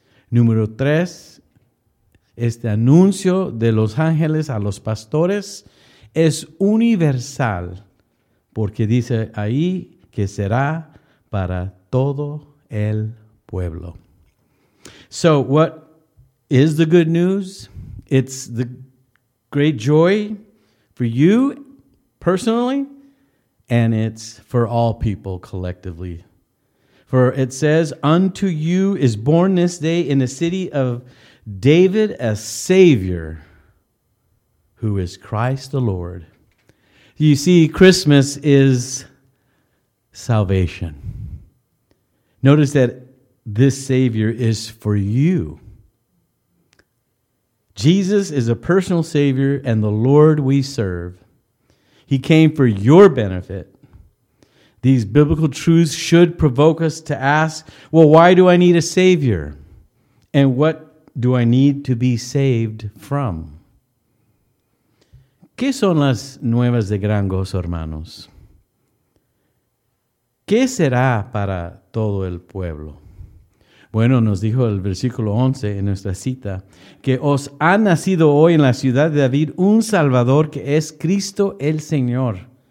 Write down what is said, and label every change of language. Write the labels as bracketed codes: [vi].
[es] Número 3, este anuncio de los ángeles a los pastores es universal, porque dice ahí que será para todo el pueblo. [en] So, what is the good news? It's the great joy for you personally, and it's for all people collectively. For it says, "Unto you is born this day in the city of David a Savior, who is Christ the Lord." You see, Christmas is salvation. Notice that this Savior is for you. Jesus is a personal Savior and the Lord we serve. He came for your benefit. These biblical truths should provoke us to ask, well, why do I need a Savior? And what do I need to be saved from? [es] ¿Qué son las nuevas de gran gozo, hermanos? ¿Qué será para todo el pueblo? Bueno, nos dijo el versículo 11 en nuestra cita, que os ha nacido hoy en la ciudad de David un Salvador que es Cristo el Señor.